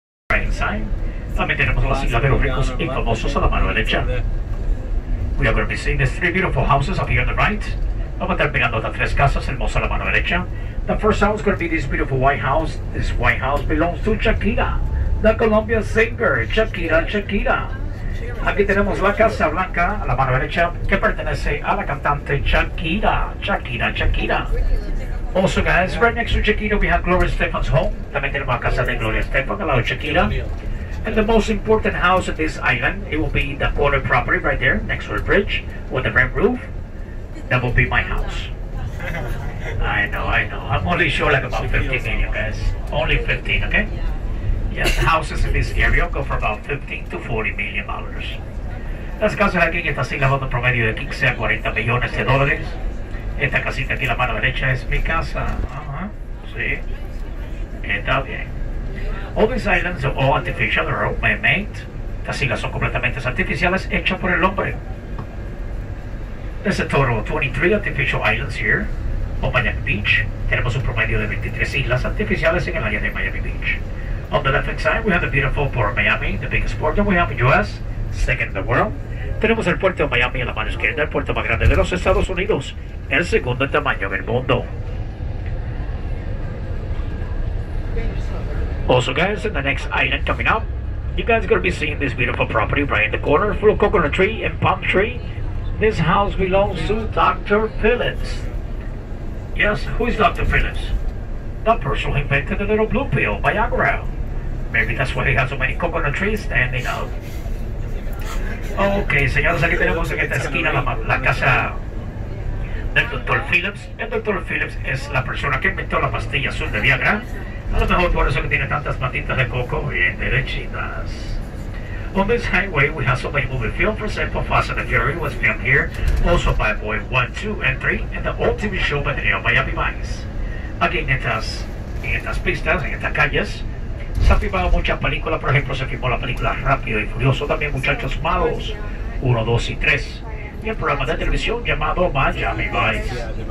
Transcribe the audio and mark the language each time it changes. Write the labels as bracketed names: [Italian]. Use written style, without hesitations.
[Spanish] design, también tenemos la silla de los ricos y famosos a la mano derecha. [English] We are going to be seeing these three beautiful houses up here on the right. [Spanish] Vamos a estar pegando estas tres casas hermosas a la mano derecha. [English] The first house is going to be this beautiful white house. This white house belongs to Shakira, the Colombian singer, Shakira. [Spanish] Aquí tenemos la Casa Blanca a la mano derecha, que pertenece a la cantante Shakira. [English] Also guys, right next to Shakira we have Gloria Estefan's home. [Spanish] También tenemos la casa de Gloria Estefan al lado de Shakira. [English] And the most important house on this island, it will be the corner property right there, next to the bridge, with the red roof. That will be my house. I know. I'm only sure like about 15 million, guys. Only 15, okay? Yes, houses in this area go for about 15 to 40 million dollars. [Spanish] Las casas aquí en esta isla van a promedio de 15 a 40 millones de dólares. Esta casita aquí a la mano derecha es mi casa. Sí. Está bien. [English] All these islands are all artificial, they're all man-made. [Spanish] Estas islas son completamente artificiales, hechas por el hombre. [English] There's a total of 23 artificial islands here on Miami Beach. [Spanish] Tenemos un promedio de 23 islas artificiales en el área de Miami Beach. [English] On the left-hand side, we have the beautiful port of Miami, the biggest port that we have in the U.S., second in the world. [Spanish] Tenemos el puerto de Miami a la mano izquierda, el puerto más grande de los Estados Unidos, el segundo en tamaño del mundo. [English] Also guys, in the next island coming up, you guys are going to be seeing this beautiful property right in the corner, full of coconut tree and palm tree. This house belongs to Dr. Phillips. Yes, who is Dr. Phillips? The person who invented the little blue pill, Viagra. Maybe that's why he has so many coconut trees standing up. [Spanish] Okay, señores, aquí tenemos en esta esquina la casa del Dr. Phillips. El Dr. Phillips es la persona que inventó la pastilla azul de Viagra. A lo mejor por eso que tiene tantas matitas de coco bien derechitas. [English] On this highway, we have so many movie films. For example, Fast and the Fury was filmed here. Also, Bad Boy 1, 2, and 3. And the old TV show by the name of Miami Vice. [Spanish] Aquí en estas pistas, en estas calles, se han filmado muchas películas. Por ejemplo, se filmó la película Rápido y Furioso. También Muchachos Malos 1, 2 y 3. Y el programa de televisión llamado Miami Vice.